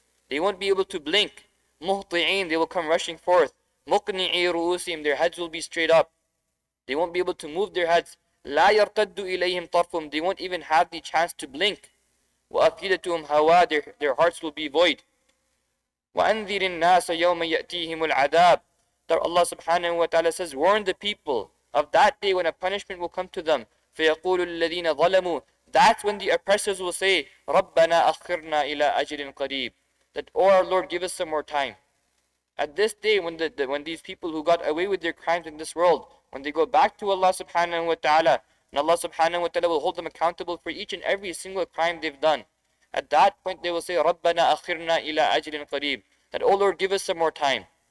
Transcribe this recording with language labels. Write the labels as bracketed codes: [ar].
[en] They won't be able to blink. [ar] مُهْطِعِينَ, [en] they will come rushing forth. [ar] مُقْنِعِي رُؤُسِهِمْ, [en] their heads will be straight up. They won't be able to move their heads. [ar] لا يرتد إليهم طرفهم, [en] they won't even have the chance to blink. [ar] وأفئدتهم هواء, [en] their hearts will be void. [ar] وأنذر الناس يوم يأتيهم العذاب. [en] Allah subhanahu wa ta'ala says, warn the people of that day when a punishment will come to them. [ar] فيقول الذين ظلموا, [en] that's when the oppressors will say, [ar] ربنا أخرنا إلى أجل قريب, [en] that, oh, our Lord, give us some more time. At this day, when these people who got away with their crimes in this world, when they go back to Allah subhanahu wa ta'ala, and Allah subhanahu wa ta'ala will hold them accountable for each and every single crime they've done, at that point they will say, [ar] رَبَّنَا أَخِرْنَا إِلَىٰ أَجْلٍ قَرِيبٍ, [en] that, oh Lord, give us some more time.